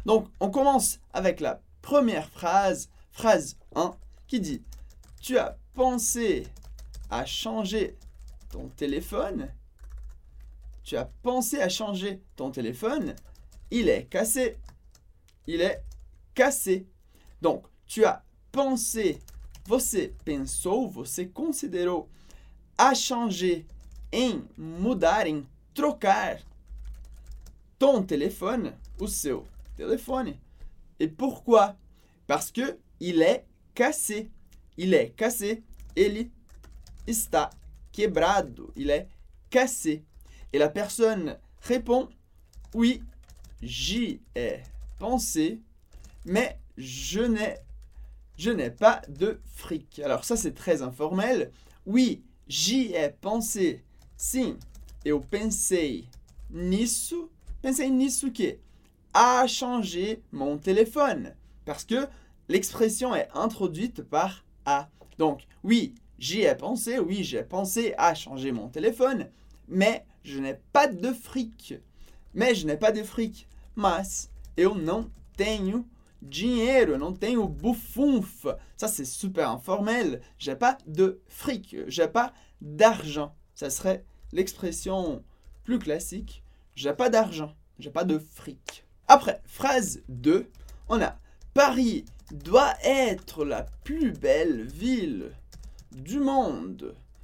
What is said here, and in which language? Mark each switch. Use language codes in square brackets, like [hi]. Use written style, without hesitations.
[fr] Donc, on commence avec la première phrase, phrase 1, qui dit: tu as pensé à changer ton téléphone? Tu as pensé à changer ton téléphone? Il est cassé. Il est cassé. Donc, tu as pensé, [pt] você pensou, você considerou, [fr] à changer. [pt] Em mudar, em trocar [fr] ton téléphone [pt] ou seu téléphone. [fr] Et pourquoi? Parce que il est cassé. Il est cassé. [pt] Ele está quebrado. [fr] Il est cassé. Et la personne répond: oui, j'y ai pensé, mais je n'ai pas de fric. Alors ça, c'est très informel. Oui, j'y ai pensé. [pt] Sim, eu pensei nisso que [fr] a changer mon téléphone, parce que l'expression est introduite par a. Donc, oui, j'ai pensé à changer mon téléphone, mais je n'ai pas de fric. Mais je n'ai pas de fric. [pt] Mas eu não tenho dinheiro, não tenho bufunfo. [fr] Ça, c'est super informel. J'ai pas de fric, j'ai pas d'argent. Ça serait l'expression plus classique, j'ai pas d'argent, j'ai pas de fric. Après, phrase 2, on a Paris doit être la plus belle ville du monde.